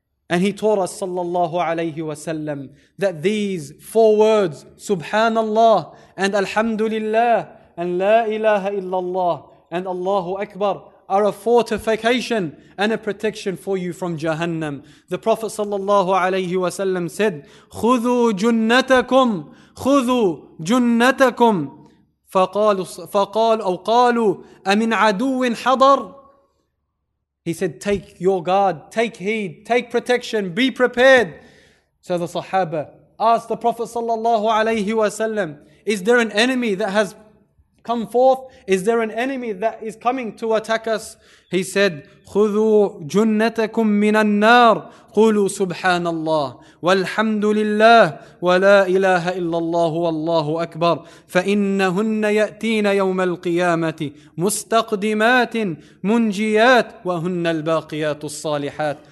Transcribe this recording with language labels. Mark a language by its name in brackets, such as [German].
[English] And he taught us sallallahu alayhi wasallam that these four words, subhanallah and alhamdulillah and la ilaha illallah and Allahu Akbar, are a fortification and a protection for you from Jahannam. The Prophet sallallahu alayhi wasallam said, [Arabic] خُذُوا جُنَّتَكُمْ خُذُوا جُنَّتَكُمْ فَقَالُوا قَالُوا أَمِنْ عَدُوٍ حَضَرٌ. [English] He said, take your guard, take heed, take protection, be prepared. So the Sahaba asked the Prophet sallallahu alayhi wasallam, is there an enemy that has come forth? Is there an enemy that is coming to attack us? He said, [Arabic] خُذُوا جُنَّتَكُمْ مِنَ النَّارِ قُولُوا سُبْحَانَ اللَّهِ وَالْحَمْدُ لِلَّهِ وَلَا إِلَهَ إِلَّا اللَّهُ وَاللَّهُ أَكْبَرُ فَإِنَّهُنَّ يَأْتِينَ يَوْمَ الْقِيَامَةِ مُسْتَقْدِمَاتٍ مُنْجِيَاتٍ وَهُنَّ الْبَاقِيَاتُ الصَّالِحَاتِ.